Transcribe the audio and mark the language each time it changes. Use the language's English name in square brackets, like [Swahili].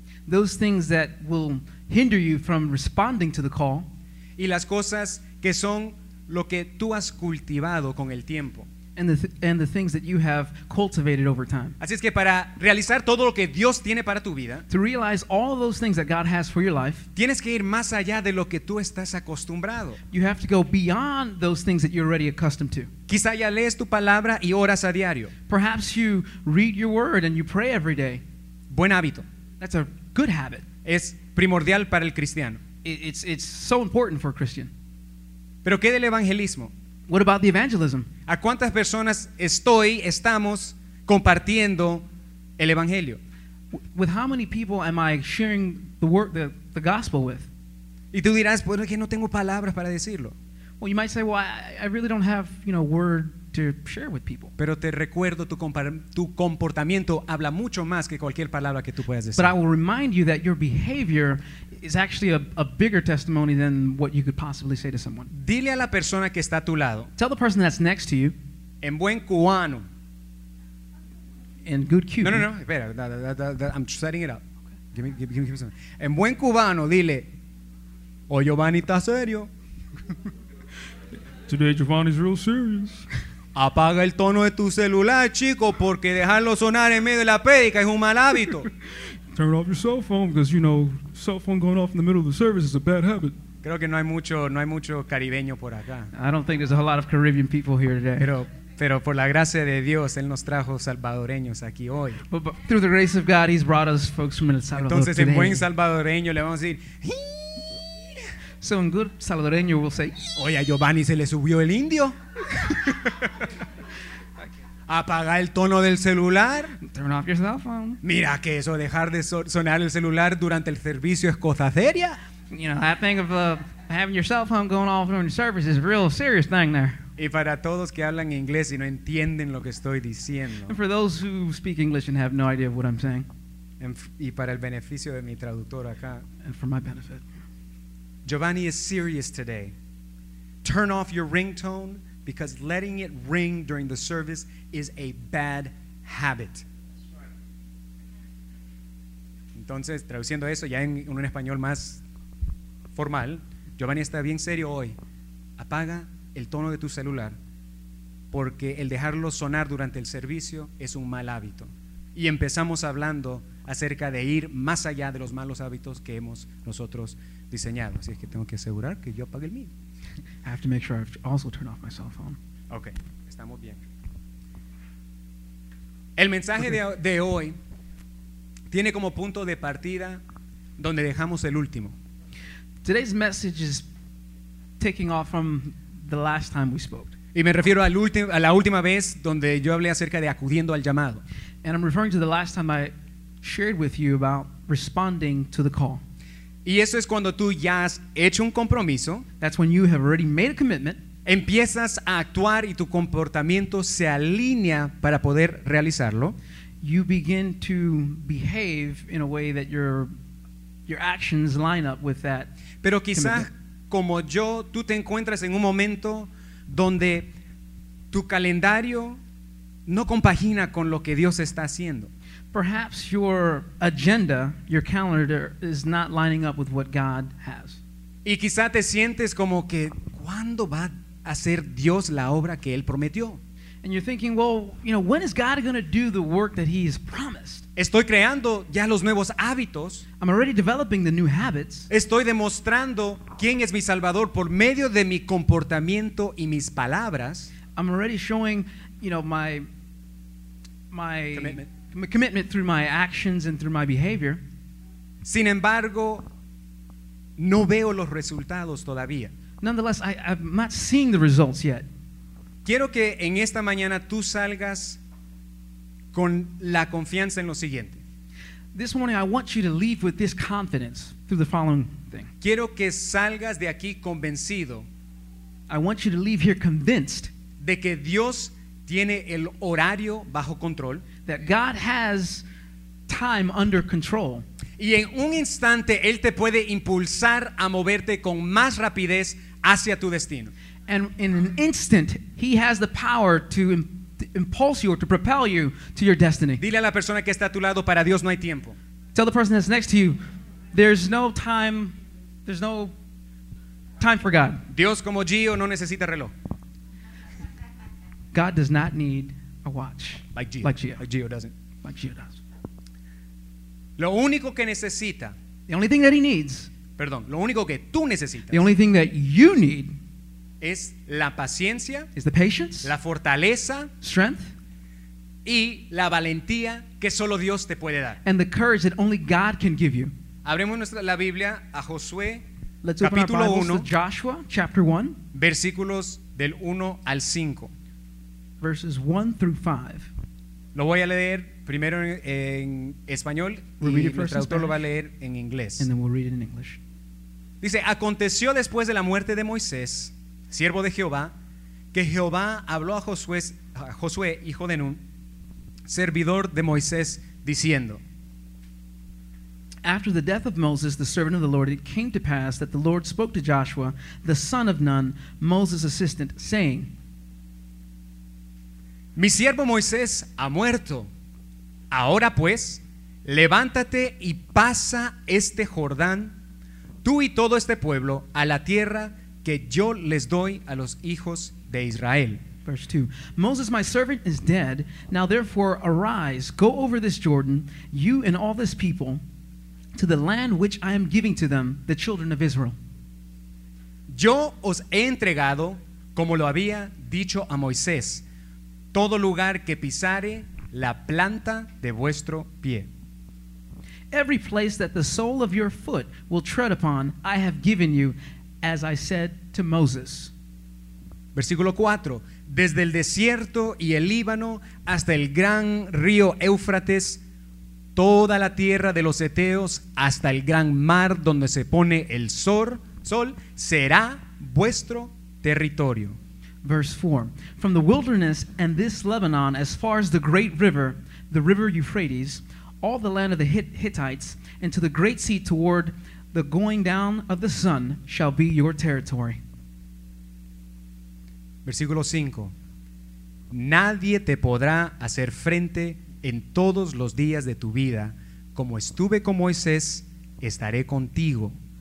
[English] those things that will hinder you from responding to the call, [Spanish] y las cosas que son lo que tú has cultivado con el tiempo. [English] And the things that you have cultivated over time. [Spanish] Así es que para realizar todo lo que Dios tiene para tu vida, [English] to realize all those things that God has for your life, [Spanish] tienes que ir más allá de lo que tú estás acostumbrado. [English] You have to go beyond those things that you're already accustomed to. [Spanish] Quizá ya lees tu palabra y oras a diario. [English] Perhaps you read your word and you pray every day. [Spanish] Buen hábito. [English] That's a good habit. [Spanish] Es primordial para el cristiano. [English] It's so important for a Christian. [Spanish] Pero ¿qué del evangelismo? [English] What about the evangelism? [Spanish] ¿A cuántas personas estamos compartiendo el evangelio? [English] With how many people am I sharing the gospel with? [Spanish] Y tú dirás, bueno, que no tengo palabras para decirlo. [English] Well, you might say, well, I really don't have, you know, word to share with people. [Spanish] Pero te recuerdo tu comportamiento habla mucho más que cualquier palabra que tú puedas decir. [English] But I will remind you that your behavior is actually a bigger testimony than what you could possibly say to someone. [Spanish] Dile a la persona que está a tu lado. [English] Tell the person that's next to you. [Spanish] En buen cubano. [English] In good Cuban. [Spanish] No, espera. [English] I'm setting it up. Okay. Give me something. [Spanish] En buen cubano, dile, o Giovanni está serio. [English] Today Giovanni's real serious. [Spanish] Apaga el tono de tu celular, chico, porque dejarlo sonar en medio de la prédica es un mal hábito. [English] Turn off your cell phone because, you know, cell phone going off in the middle of the service is a bad habit. [Spanish] Creo que no hay mucho caribeño por acá. [English] I don't think there's a lot of Caribbean people here today. [Spanish] Pero por la gracia de Dios, Él nos trajo salvadoreños aquí hoy. [English] But through the grace of God, He's brought us folks from El Salvador today. [Spanish] Entonces, en buen salvadoreño le vamos a decir, [English] so in good salvadoreño we'll say, [Spanish] oye, a Giovanni se le subió el indio. Apagar el tono del celular. [English] Turn off your cell phone. [Spanish] Mira que eso, dejar de sonar el celular durante el servicio es cosa seria. [English] You know, that thing of having your cell phone going off during the service is a real serious thing there. [Spanish] Y para todos que hablan inglés y no entienden lo que estoy diciendo. [English] And for those who speak English and have no idea of what I'm saying. [Spanish] Y para el beneficio de mi traductor acá. [English] And for my benefit. Giovanni is serious today. Turn off your ringtone. Because letting it ring during the service is a bad habit. [Spanish] Entonces, traduciendo eso ya en un español más formal. Giovanni está bien serio hoy. Apaga el tono de tu celular, porque el dejarlo sonar durante el servicio es un mal hábito. Y empezamos hablando acerca de ir más allá de los malos hábitos que hemos nosotros diseñado. Así es que tengo que asegurar que yo apague el mío. [English] I have to make sure I also turn off my cell phone. [Spanish] Okay, estamos bien. El mensaje de hoy tiene como punto de partida donde dejamos el último. [English] Today's message is taking off from the last time we spoke. [Spanish] Y me refiero al a la última vez donde yo hablé acerca de acudiendo al llamado. [English] And I'm referring to the last time I shared with you about responding to the call. [Spanish] Y eso es cuando tú ya has hecho un compromiso. [English] That's when you have already made a commitment. [Spanish] Empiezas a actuar y tu comportamiento se alinea para poder realizarlo. [English] You begin to behave in a way that your actions line up with that. [Spanish] Pero quizás como yo, tú te encuentras en un momento donde tu calendario no compagina con lo que Dios está haciendo. [English] Perhaps your agenda, your calendar, is not lining up with what God has. [Spanish] Y quizá te sientes como que ¿cuándo va a hacer Dios la obra que él prometió? [English] And you're thinking, well, you know, when is God going to do the work that he has promised? [Spanish] Estoy creando ya los nuevos hábitos. [English] I'm already developing the new habits. [Spanish] Estoy demostrando quién es mi Salvador por medio de mi comportamiento y mis palabras. [English] I'm already showing, you know, my commitment through my actions and through my behavior. [Spanish] Sin embargo, no veo los resultados todavía. [English] Nonetheless, I'm not seeing the results yet. [Spanish] Quiero que en esta mañana tú salgas con la confianza en lo siguiente. [English] This morning I want you to leave with this confidence through the following thing. [Spanish] Quiero que salgas de aquí convencido. [English] I want you to leave here convinced [Spanish] de que Dios tiene el horario bajo control. [English] That God has time under control. [Spanish] Y en un instante él te puede impulsar a moverte con más rapidez hacia tu destino. [English] And in an instant, he has the power to impulse you or to propel you to your destiny. [Spanish] Dile a la persona que está a tu lado, para Dios no hay tiempo. [English] Tell the person that's next to you, there's no time for God. [Spanish] Dios como Gio no necesita reloj. [English] God does not need a watch. Like Gio does. [Spanish] Lo único que necesita. [English] The only thing that he needs. [Spanish] Perdón, lo único que tú necesitas. [English] The only thing that you need. [Spanish] Es la paciencia, [English] is the patience, [Spanish] la fortaleza, [English] strength, [Spanish] y la valentía que solo Dios te puede dar. [English] And the courage that only God can give you. [Spanish] Abremos la Biblia a Josué, [English] let's [Spanish] capítulo 1, [English] Joshua chapter 1, [Spanish] versículos del 1 al 5. [English] Verses 1 through 5. [Spanish] Lo voy a leer primero en español, [English] we'll [Spanish] y el traductor lo va a leer en inglés. [English] And then we'll read it in English. [Spanish] Dice, aconteció después de la muerte de Moisés, siervo de Jehová, que Jehová habló a Josué, hijo de Nun, servidor de Moisés, diciendo: [English] After the death of Moses, the servant of the Lord, it came to pass that the Lord spoke to Joshua, the son of Nun, Moses' assistant, saying: [Spanish] Mi siervo Moisés ha muerto. Ahora pues, levántate y pasa este Jordán, tú y todo este pueblo, a la tierra que yo les doy a los hijos de Israel. [English] Verse 2. Moses, my servant, is dead. Now therefore arise, go over this Jordan, you and all this people, to the land which I am giving to them, the children of Israel. [Spanish] Yo os he entregado, como lo había dicho a Moisés, todo lugar que pisare la planta de vuestro pie. [English] Every place that the sole of your foot will tread upon, I have given you, as I said to Moses. [Spanish] Versículo 4. Desde el desierto y el Líbano hasta el gran río Éufrates, toda la tierra de los Eteos hasta el gran mar donde se pone el sol será vuestro territorio. [English] Verse 4. From the wilderness and this Lebanon as far as the great river, the river Euphrates, all the land of the Hittites and to the great sea toward the going down of the sun shall be your territory. [Spanish] Versículo 5. Nadie te podrá hacer frente en todos los días de tu vida. Como estuve con Moisés, estaré contigo.